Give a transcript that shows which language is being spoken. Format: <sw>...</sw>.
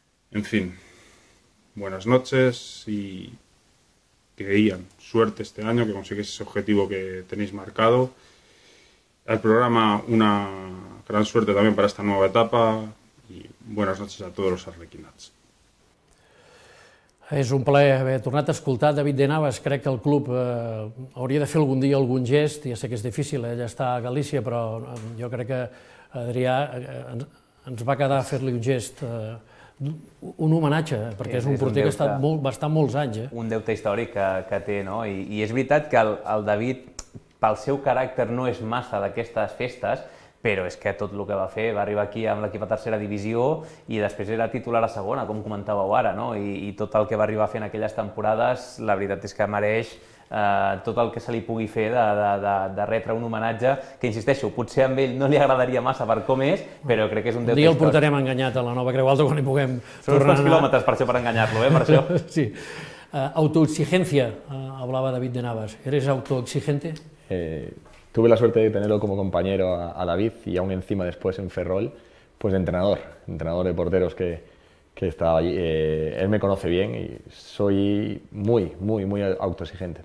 <es>En fin, buenas noches y que Ian, suerte este año, que consigues ese objetivo que tenéis marcado. Al programa, una gran suerte también para esta nueva etapa y buenas noches a todos los arlequinats.</es> <ca>És un plaer haver tornat a escoltar David de Navas. Crec que el club hauria de fer algun dia algun gest, ja sé que és difícil, ell està a Galícia, però jo crec que Adrià ens va quedar a fer-li un gest, un homenatge, perquè és un porter que va estar molts anys. Un deute històric que té, no? I és veritat que el David, pel seu caràcter, no és massa d'aquestes festes, però és que tot el que va fer, va arribar aquí amb l'equip a tercera divisió i després era titular a segona, com comentàveu ara, no? I tot el que va arribar a fer en aquelles temporades, la veritat és que mereix tot el que se li pugui fer de retre un homenatge, que insisteixo, potser a ell no li agradaria massa per com és, però crec que és un deute. Un dia el portarem enganyat a la nova Creu Alta quan hi puguem tornar. Són uns quilòmetres per això, per enganyar-lo, per això. Sí.</ca> <es>Autoexigencia, hablaba David de Navas. ¿Eres autoexigente? Tuve la suerte de tenerlo como compañero a David y aún encima después en Ferrol, pues de entrenador de porteros que estaba allí. Él me conoce bien y soy muy, muy, muy autoexigente.</es>